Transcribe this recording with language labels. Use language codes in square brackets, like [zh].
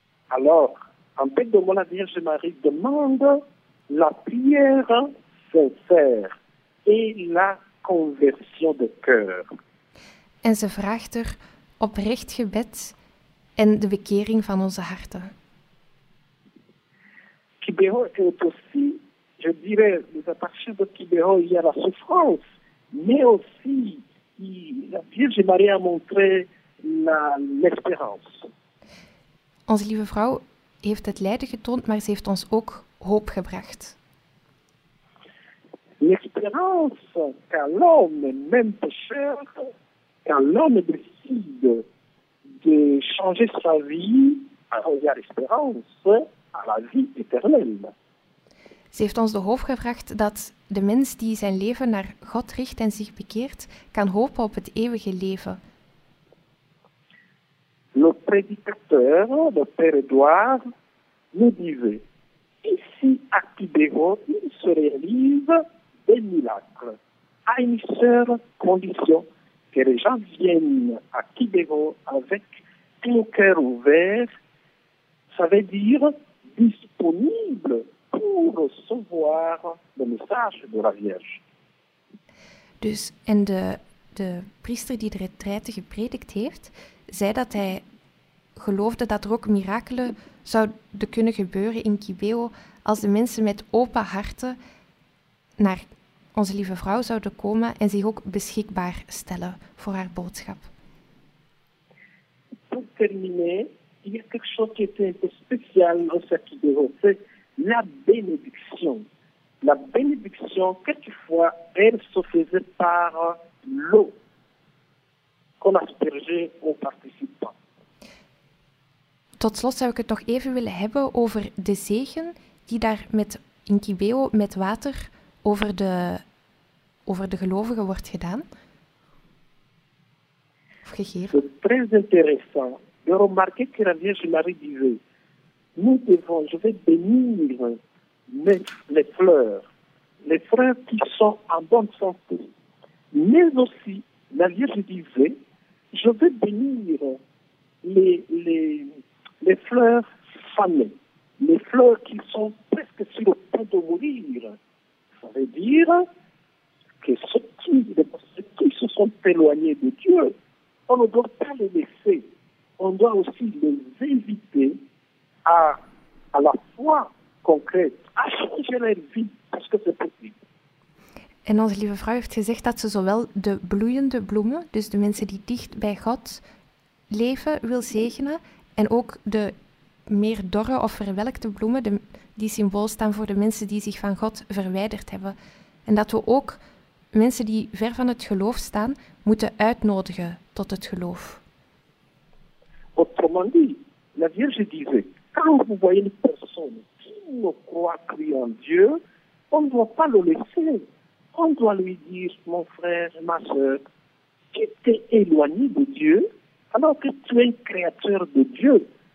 [fr] Alors, en fait, de moi, la Vierge Marie demande la prière sincère et la conversion de cœur. [nl] En ze vraagt er oprecht gebed en de bekering van onze harten. [fr] Quiberon est aussi, je dirais, mais à partir de Quiberon, il y a la souffrance, mais aussi la Vierge Marie a montré l'espérance. [nl] Onze lieve vrouw heeft het lijden getoond, maar ze heeft ons ook hoop gebracht. [fr] L'espérance, quand l'homme, même pécheur, quand l'homme décide de changer sa vie, alors il y a l'espérance. [nl] Ze heeft ons de hoop gevraagd dat de mens die zijn leven naar God richt en zich bekeert, kan hopen op het eeuwige leven. [fr] Le prédicateur, le père Édouard, nous disait: ici à Quiberon, il se réalise des miracles. À une seule condition, que les gens viennent à Quiberon avec un cœur ouvert, ça veut dire disponible pour recevoir le message de la Vierge. [nl] Dus, en de priester die de retraite gepredikt heeft, zei dat hij geloofde dat er ook mirakelen zouden kunnen gebeuren in Quibeo als de mensen met open harten naar onze lieve vrouw zouden komen en zich ook beschikbaar stellen voor haar boodschap. [fr] Pour terminer, il y a quelque chose qui était un peu spécial dans ce qui dérangeait, la bénédiction. La bénédiction, quelquefois, elle se faisait par l'eau qu'on aspergeait aux participants. [nl] Tot slot zou ik het nog even willen hebben over de zegen die daar met in Quibeo met water over de gelovigen wordt gedaan. Of gegeven. [fr] C'est très intéressant. De remarquer que la Vierge Marie disait: nous devons, je vais bénir les fleurs, les fleurs qui sont en bonne santé. Mais aussi, la Vierge disait: je vais bénir les fleurs fanées, les fleurs qui sont presque sur le point de mourir. Ça veut dire que ceux qui se sont éloignés de Dieu, on ne doit pas les laisser. On doit aussi les inviter à la foi concrète, à changer leur vie, parce que c'est possible. [nl] En onze lieve vrouw heeft gezegd dat ze zowel de bloeiende bloemen, dus de mensen die dicht bij God leven, wil zegenen, en ook de meer dorre of verwelkte bloemen, die symbool staan voor de mensen die zich van God verwijderd hebben. En dat we ook mensen die ver van het geloof staan, moeten uitnodigen tot het geloof. [fr] Autrement dit, la Vierge disait, quand vous voyez une personne qui ne croit plus en Dieu, on ne doit pas le laisser. On doit lui dire: mon frère, ma soeur, tu t'es éloigné de Dieu, alors que tu es créateur de Dieu.